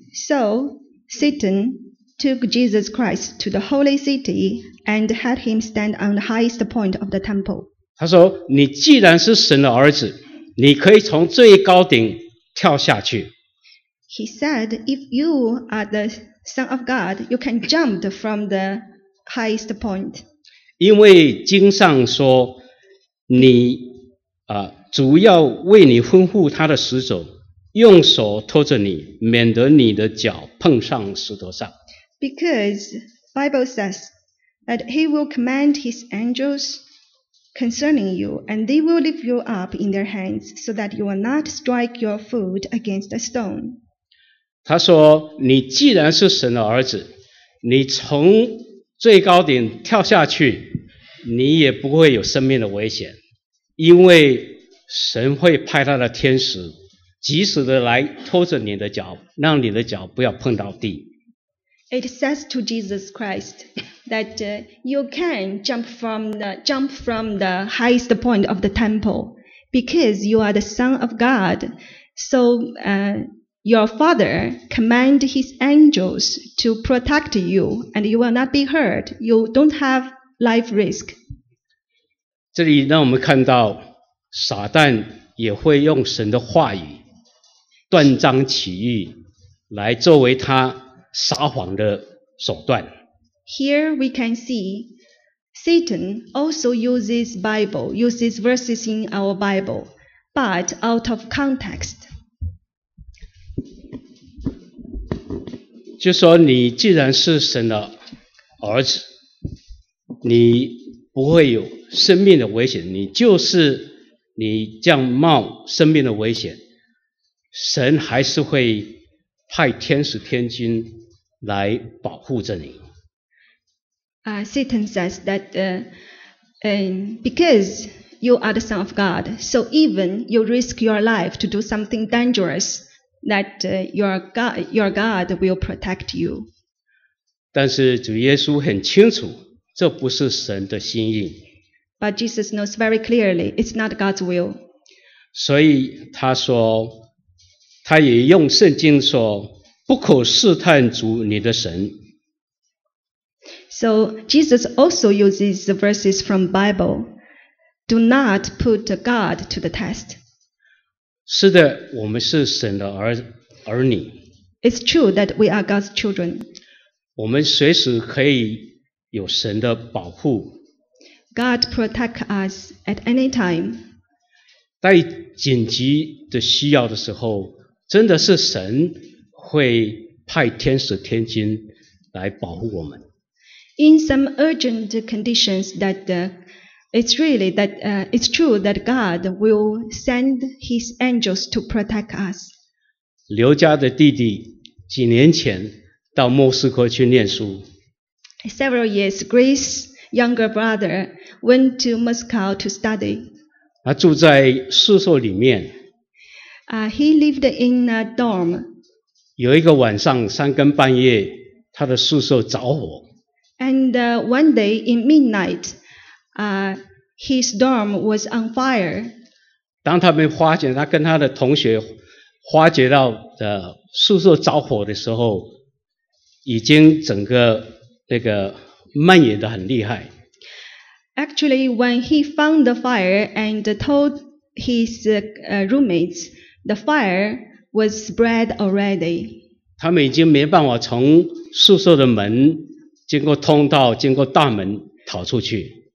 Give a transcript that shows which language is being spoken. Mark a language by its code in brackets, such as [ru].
[en] So, Satan took Jesus Christ to the holy city and had him stand on the highest point of the temple. [zh] 他说，你既然是神的儿子，你可以从最高顶跳下去。 [en] He said, if you are the Son of God, you can jump from the highest point. [zh] 因为经上说，你主要为你吩咐他的使者，用手托着你，免得你的脚碰上石头上。 [en] Because Bible says that he will command his angels concerning you, and they will lift you up in their hands, so that you will not strike your foot against a stone. [zh] 他说，你既然是神的儿子，你从最高点跳下去，你也不会有生命的危险，因为神会派他的天使及时的来拖着你的脚，让你的脚不要碰到地。 [en] It says to Jesus Christ that you can jump from the highest point of the temple because you are the Son of God. So your Father command his angels to protect you and you will not be hurt. You don't have life risk. [zh] 这里让我们看到撒旦也会用神的话语断章取义来作为他撒谎的手段。 [en] Here we can see Satan also uses verses in our Bible, but out of context. [zh] 就说你既然是神的儿子，你不会有生命的危险，你这样冒生命的危险，神还是会派天使天君来保护着你。 [en] Satan says that because you are the Son of God, so even you risk your life to do something dangerous, that your God will protect you. [zh] 但是主耶稣很清楚，这不是神的心意。 [en] But Jesus knows very clearly it's not God's will. [zh] 所以他说，他也用圣经说，不可试探主你的神。 [en] So Jesus also uses the verses from Bible. Do not put God to the test. [zh] 是的，我们是神的儿女。 [en] It's true that we are God's children. [zh] 我们随时可以有神的保护。 [en] God protect us at any time. [zh] 在紧急的需要的时候，真的是神会派天使天君来保护我们。 [en] In some urgent conditions, it's true that God will send His angels to protect us. [zh] 刘家的弟弟几年前到莫斯科去念书。 [en] Several years, Grace's younger brother went to Moscow to study. [zh] 他住在宿舍里面。 [en] He lived in a dorm. [zh] 有一个晚上三更半夜，他的宿舍着火。 [en] And one day in midnight, his dorm was on fire. [zh] 当他们发觉他跟他的同学发觉到宿舍着火的时候，已经整个那个蔓延得很厉害。 [en] Actually, when he found the fire and told his roommates, the fire was spread already. [zh] 他们已经没办法从宿舍的门经过通道，经过大门逃出去。